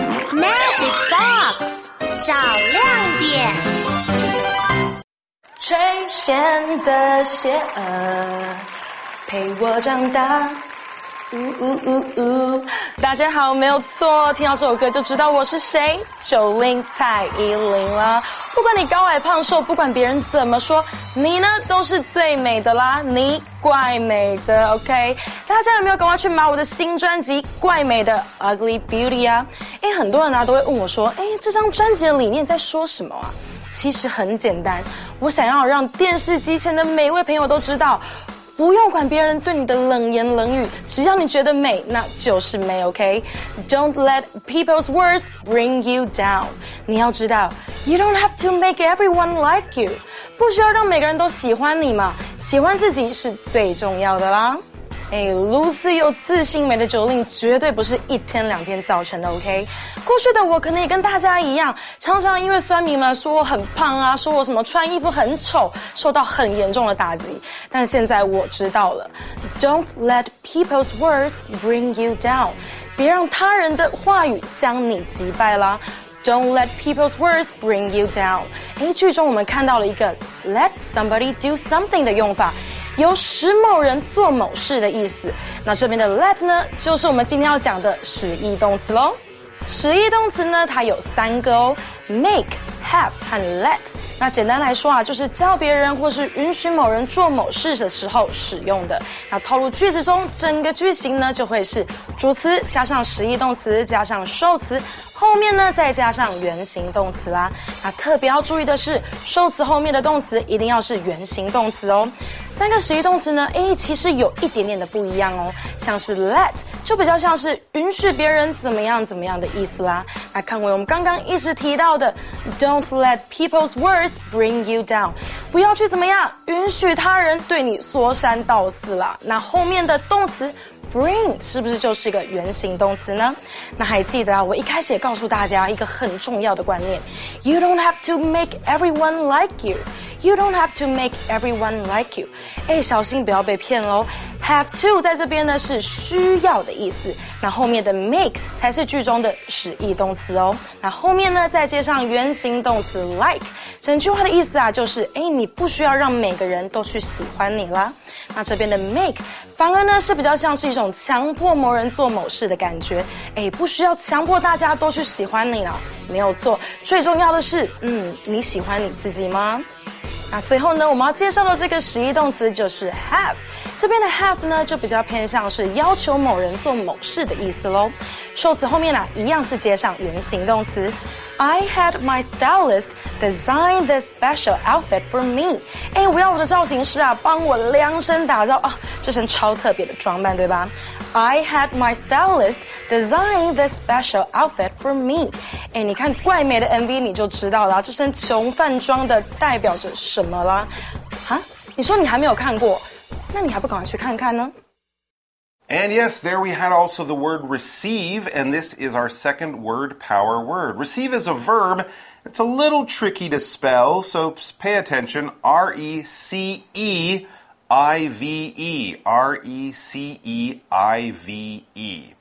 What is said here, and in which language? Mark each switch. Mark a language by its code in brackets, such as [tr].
[zh] Magic Box 找亮点。垂涎的邪恶陪我长大，大家好，没有错，听到这首歌就知道我是谁，九零蔡依林啦。不管你高矮胖瘦，不管别人怎么说，你呢都是最美的啦，你怪美的 ，OK？大家有没有赶快去买我的新专辑《怪美的 Ugly Beauty》啊？很多人啊都会问我说，这张专辑的理念在说什么啊？其实很简单，我想要让电视机前的每一位朋友都知道，不用管别人对你的冷言冷语，只要你觉得美，那就是美 ，OK？ [en] Don't let people's words bring you down. [zh] 你要知道 [en] ，you don't have to make everyone like you. [zh] 不需要让每个人都喜欢你嘛，喜欢自己是最重要的啦。哎 ，Lucy 又自信美的 Jolene 绝对不是一天两天造成的 ，OK？过去的我可能也跟大家一样，常常因为酸民们说我很胖啊，说我什么穿衣服很丑，受到很严重的打击。但现在我知道了 ， [en] Don't let people's words bring you down， [zh] 别让他人的话语将你击败啦。 [en] Don't let people's words bring you down。 [zh] 哎，剧中我们看到了一个 [en] let somebody do something [zh] 的用法，由使某人做某事的意思。那这边的 let 呢，就是我们今天要讲的使役动词咯。使役动词呢，它有三个哦， make、have 和 let。那简单来说啊，就是叫别人或是允许某人做某事的时候使用的。那套入句子中，整个句型呢就会是主词加上实义动词加上受词，后面呢再加上原形动词啦。那特别要注意的是，受词后面的动词一定要是原形动词哦。三个实义动词呢，诶，其实有一点点的不一样哦。像是 let 就比较像是允许别人怎么样怎么样的意思啦。那看回我们刚刚一直提到的 [en] don't let people's wordBring you down， [zh] 不要去怎么样允许他人对你说三道四啦。那后面的动词 bring 是不是就是一个原形动词呢？那还记得啊，我一开始也告诉大家一个很重要的观念， [en] You don't have to make everyone like you， You don't have to make everyone like you。 [zh] 哎，小心不要被骗咯。 Have to 在这边呢是需要的意思，那后面的 make 才是句中的使役动词哦。那后面呢再接上原形动词 like，整句话的意思啊，就是诶，你不需要让每个人都去喜欢你啦。那这边的 make 反而呢是比较像是一种强迫某人做某事的感觉，诶，不需要强迫大家都去喜欢你啦。没有错，最重要的是你喜欢你自己吗？那最后呢，我们要介绍的这个实义动词就是 have。这边的 have 呢，就比较偏向是要求某人做某事的意思咯。受词后面呢、啊，一样是接上原形动词。 [en] I had my stylist design this special outfit for me。 [zh] 哎，我要我的造型师啊，帮我量身打造啊，这身超特别的装扮，对吧？ [en] I had my stylist design this special outfit for me。 [zh] 哎，你看怪美的 MV 你就知道了，这身穷范装的代表着什么啦。蛤？你说你还没有看过，那你还不赶快去看看呢？ [en] And yes, there we had also the word receive, and this is our second word power word. Receive is a verb. It's a little tricky to spell, so pay attention. R-E-C-E-I-V-E. R-E-C-E-I-V-E.